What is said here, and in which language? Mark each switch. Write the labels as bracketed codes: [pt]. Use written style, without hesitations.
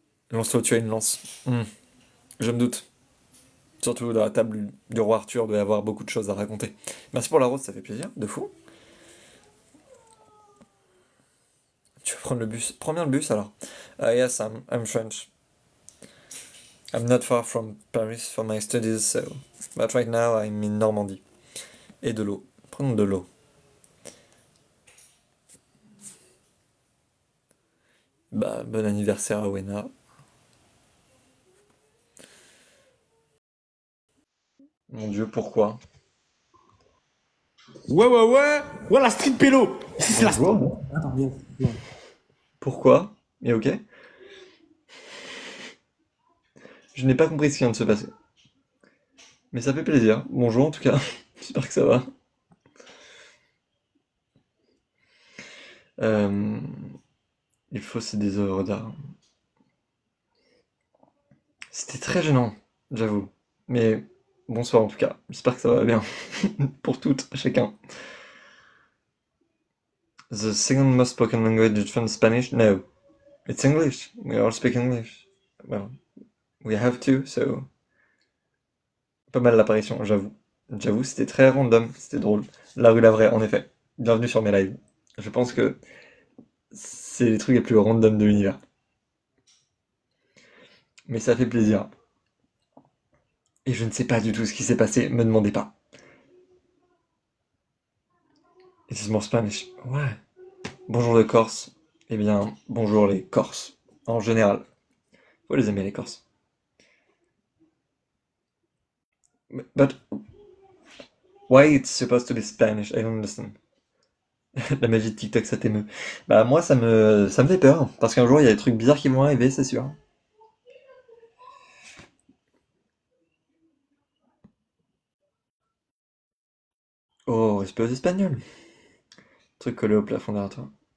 [fr] Lance-toi, tu as une lance. Je me doute. Surtout dans la table du roi Arthur, il doit y avoir beaucoup de choses à raconter. Merci pour la rose, ça fait plaisir, de fou. Tu veux prendre le bus? Prends bien le bus alors. [en] Yes, I'm French. I'm not far from Paris for my studies, so. But right now, I'm in Normandie. [fr] Et de l'eau. Prenons de l'eau. Bah, bon anniversaire à Wena. Mon Dieu, pourquoi? Ouais, voilà Street Pélo. Ici c'est la Street. Bonjour. Attends, viens. Viens. Pourquoi? Mais ok. Je n'ai pas compris ce qui vient de se passer. Mais ça fait plaisir. Bonjour en tout cas. J'espère que ça va. Il faut ces des œuvres d'art. C'était très gênant, j'avoue. Mais bonsoir en tout cas, j'espère que ça va bien pour toutes, chacun. [en] The second most spoken language from Spanish? No, it's English. We all speak English. Well, we have to, so. [fr] Pas mal l'apparition, j'avoue. J'avoue, c'était très random, c'était drôle. La rue la vraie, en effet. Bienvenue sur mes lives. Je pense que c'est les trucs les plus random de l'univers. Mais ça fait plaisir. Et je ne sais pas du tout ce qui s'est passé, me demandez pas. [en] This is more Spanish. [fr] Ouais. Bonjour les Corses. Eh bien, bonjour les Corses, en général. Faut les aimer les Corses. [en] But why it's supposed to be Spanish? I don't understand. [fr] La magie de TikTok, ça t'émeut. Bah moi, ça me fait peur, parce qu'un jour, il y a des trucs bizarres qui vont arriver, c'est sûr. Oh, respect aux Espagnols. Truc collé au plafond derrière toi.